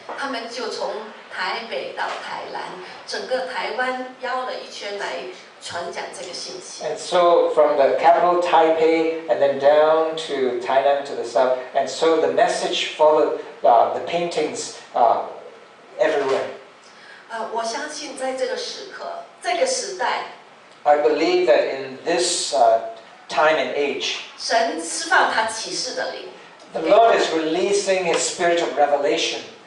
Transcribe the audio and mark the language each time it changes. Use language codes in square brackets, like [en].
[zh] 他们就从台北到台南，整个台湾绕了一圈来传讲这个信息。 [en] And so from the capital Taipei, and then down to Thailand to the south, and so the message followed the paintings everywhere. [zh] 我相信在这个时刻，这个时代。 [en] I believe that in this time and age. [zh] 神释放他启示的灵。 [en] The Lord is releasing His spirit of revelation.